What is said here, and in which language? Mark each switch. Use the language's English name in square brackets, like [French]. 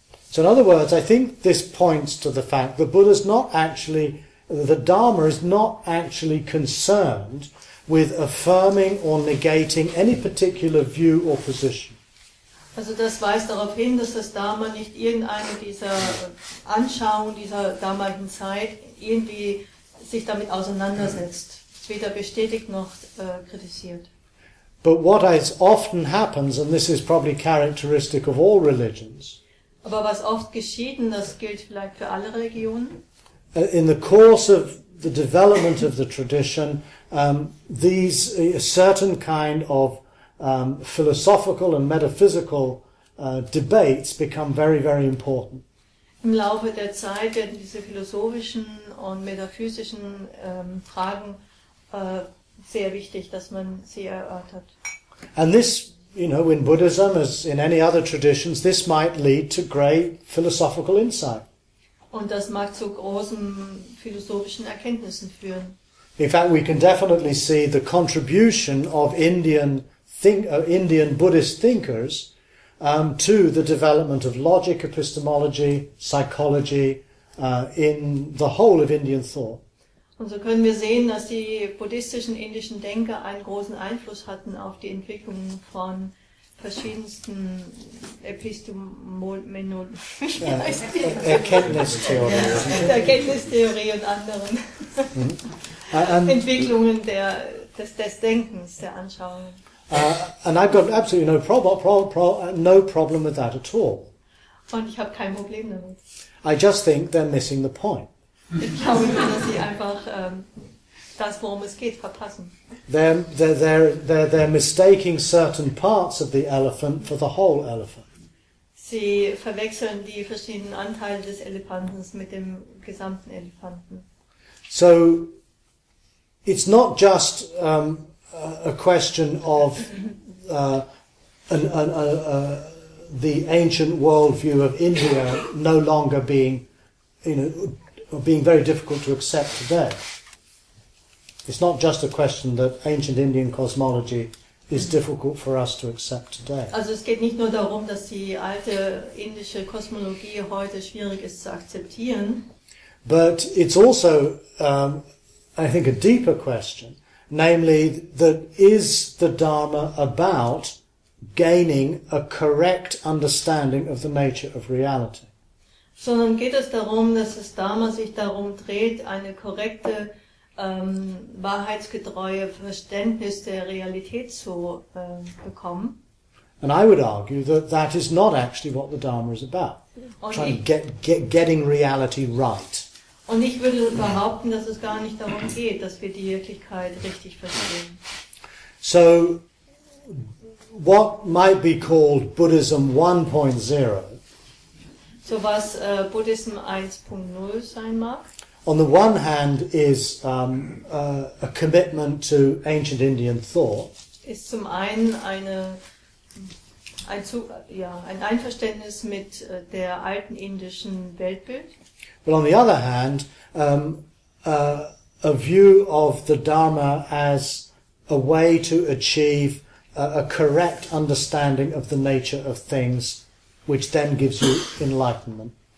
[English] So in other words, I think this points to the fact the Buddha's not actually, the Dharma is not actually concerned with affirming or negating any particular view or position. [German] Also das weist darauf hin, dass das Dharma nicht irgendeine dieser Anschauungen dieser damaligen Zeit irgendwie sich damit auseinandersetzt. Es weder bestätigt noch kritisiert. [English] But what has often happens, and this is probably characteristic of all religions, [German] aber was oft geschieht, das gilt vielleicht für alle Religionen. [English] In the course of the development of the tradition, a certain kind of philosophical and metaphysical debates become very, very important. [German] Im Laufe der Zeit werden diese philosophischen und metaphysischen Fragen sehr wichtig, dass man sie erörtert. [English] And this, you know, in Buddhism, as in any other traditions, this might lead to great philosophical insight. [German] Und das mag zu großen philosophischen Erkenntnissen führen. [English] In fact, we can definitely see the contribution of Indian Buddhist thinkers to the development of logic, epistemology, psychology in the whole of Indian thought. [German] Und so können wir sehen, dass die buddhistischen indischen Denker einen großen Einfluss hatten auf die Entwicklung von verschiedensten Erkenntnistheorie und anderen Entwicklungen des Denkens, der Anschauungen. [English] And I've got absolutely no problem with that at all. [German] Und ich habe kein Problem damit. [English] I just think they're missing the point. [German] Ich glaube, dass sie einfach das, worum es geht, verpassen. [English] They're mistaking certain parts of the elephant for the whole elephant. [German] Sie verwechseln die verschiedenen Anteile des Elefanten mit dem gesamten Elefanten. [English] So, it's not just a question of the ancient worldview of India no longer being, you know, being very difficult to accept today. It's not just a question that ancient Indian cosmology is difficult for us to accept today. [German] Also, es geht nicht nur darum, dass die alte indische Kosmologie heute schwierig ist zu akzeptieren. [English] But it's also, I think, a deeper question, namely, that is the Dharma about gaining a correct understanding of the nature of reality? [German] Sondern geht es darum, dass das Dharma sich darum dreht, eine korrekte, wahrheitsgetreue Verständnis der Realität zu bekommen? [English] And I would argue that that is not actually what the Dharma is about. [German] Und [English] trying to getting reality right. [German] Und ich würde behaupten, dass es gar nicht darum geht, dass wir die Wirklichkeit richtig verstehen. [English] So, what might be called Buddhism 1.0? [German] So was Buddhism 1.0 sein mag? [English] On the one hand is a commitment to ancient Indian thought. [German] Ist zum einen ein Einverständnis mit der alten indischen Weltbild. [English] But on the other hand, a view of the Dharma as a way to achieve a correct understanding of the nature of things, which then gives you enlightenment.